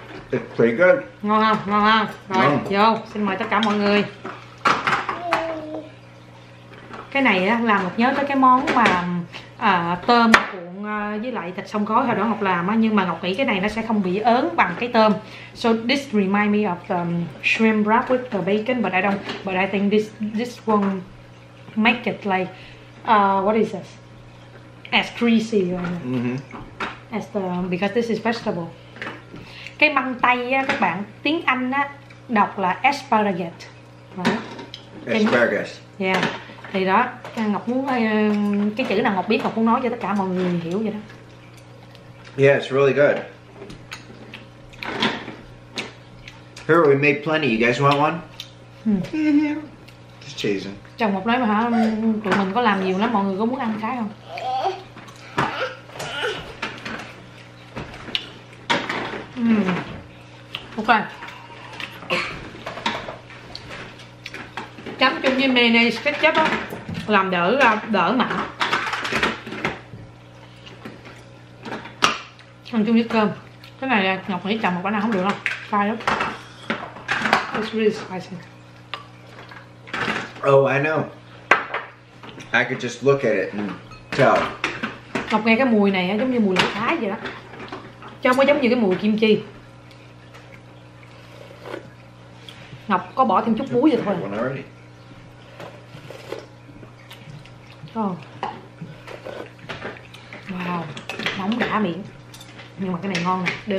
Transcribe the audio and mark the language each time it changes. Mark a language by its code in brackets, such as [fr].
[en] It's pretty good. [vi] Ngon không? Rồi vô xin mời tất cả mọi người. Cái này làm Ngọc nhớ tới cái món mà tôm cuộn với lại thịt xông khói hồi đó Ngọc làm á, nhưng mà Ngọc nghĩ cái này nó sẽ không bị ớn bằng cái tôm. [en] So this remind me of the shrimp wrap with the bacon, but I don't, but I think this one make it like what is this? As greasy as the, because this is vegetable. [vi] Cái măng tây á các bạn, tiếng Anh á đọc là asparagus. [en] Right? Asparagus. Yeah. [vi] Thì đó, Ngọc muốn cái chữ nào Ngọc biết Ngọc muốn nói cho tất cả mọi người hiểu vậy đó. [en] Yeah, it's really good. Here we made plenty. You guys want one? Just cheesing. [vi] Chồng Ngọc nói mà hả, tụi mình có làm nhiều lắm, mọi người có muốn ăn cái không? [en] Ok. [vi] Chấm chung với mayonnaise ketchup á, làm đỡ đỡ mặn. Ăn chung với cơm. Cái này Ngọc nghĩ chồng một bữa nào không được đâu. Cay lắm. [en] It's really spicy. Oh, I know. I could just look at it and tell. [vi] Ngọc nghe cái mùi này giống như mùi lá thái vậy đó. Chứ không có giống như cái mùi kim chi. Ngọc có bỏ thêm chút muối vô thôi. Oh. Wow, nóng đã miệng. Nhưng mà cái này ngon nè.